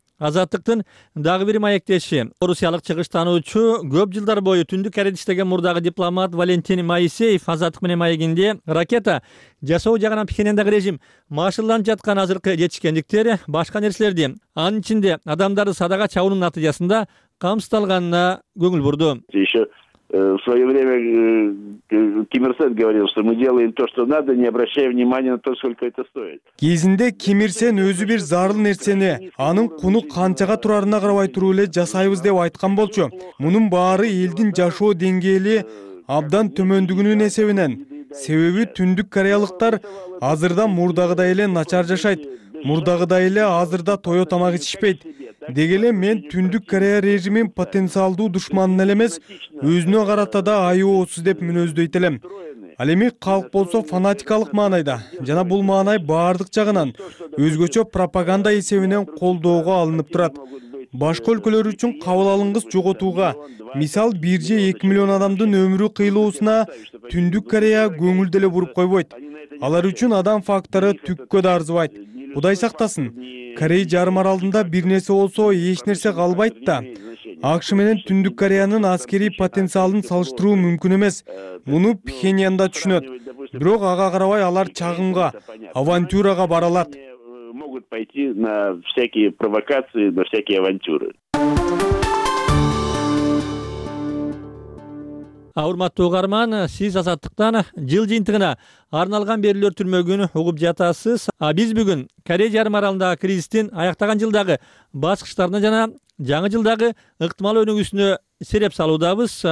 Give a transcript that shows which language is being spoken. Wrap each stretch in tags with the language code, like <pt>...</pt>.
<ky>Азаттыктын дагы бир маектеши, Орусиялык чыгыштануучу, көп жылдар бою түндүк Кореяда иштеген мурдагы дипломат Валентин Моисеев Азаттык менен маегинде ракета жасоо жагынан Пхенендеги режим машыкталып жаткан азыркы жетишкендиктер, башка нерселерди, анын ичинде адамдарды садага чабуунун натыйжасында камсызталганына көңүл бурду.</ky> <ru>В свое время Ким Ир Сен говорил, что мы делаем то, что надо, не обращая внимания на то, сколько это стоит.</ru> <ky>Кезинде Ким Ир Сен өзү бир зарыл нерсени, анын куну канчага турарына карабай туруп эле жасайбыз деп айткан болчу. Мунун баары элдин жашоо деңгээли абдан төмөндүгүнүн эсебинен. Себеби түндүк кореялыктар азырда мурдагыдай эле начар жашайт. Мурдагыдай эле азырда тоё тамак ичишпейт. Деги эле мен түндүк Корея режимин потенциалдуу душманын эле эмес, өзүнө карата да айоосуз деп мүнөздөйт элем. Ал эми калк болсо фанатикалык маанайда жана бул маанай баардык жагынан өзгөчө пропаганда эсебинен колдоого алынып турат. Башка өлкөлөр үчүн кабыл алынгыс жоготууга, мисал 1-2 миллион адамдын өмүрү кыйылуусуна түндүк Корея көңүл деле буруп койбойт. Алар үчүн адам фактору түккө да арзыбайт. Кудай сактасын, Корея жарым аралында бир нерсе болсо эч нерсе калбайт да. АКШ менен түндүк Кореянын аскерий потенциалын салыштыруу мүмкүн эмес. Муну Пхеньян да түшүнөт. Бирок ага карабай алар чагымга, авантюрага бара алат.</ky> <ru>Могут пойти на всякие провокации, на всякие авантюры.</ru> <ky>Урматтуу угарман, сиз азаттыктан жыл жыйынтыгына арналган берүүлөр түрмөгүн угуп жатасыз. А биз бүгүн Корея жарым аралындагы кризистин аяктаган жылдагы баскычтарына жана жаңы жылдагы ыктымал өнүгүүсүнө сереп салуудабыз.</ky>